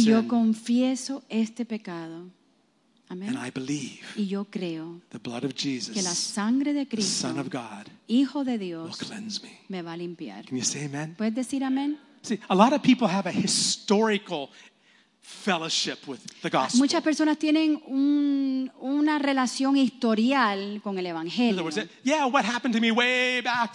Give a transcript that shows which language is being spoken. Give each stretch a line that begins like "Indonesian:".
Spanish: Y yo confieso este pecado. Amen.
English: And I believe
Spanish: y yo creo
English: the blood of Jesus,
Spanish: que la sangre de Cristo,
English: the Son of God,
Spanish: Hijo de Dios,
English: will cleanse me.
Spanish: Me va a limpiar.
English: Can you say amen?
Spanish: ¿Puedes decir amén?
English: See, a lot of people have a historical fellowship with the gospel.
Spanish: Muchas personas tienen una relación historial con el evangelio.
English: In other words, yeah, what happened to me way back?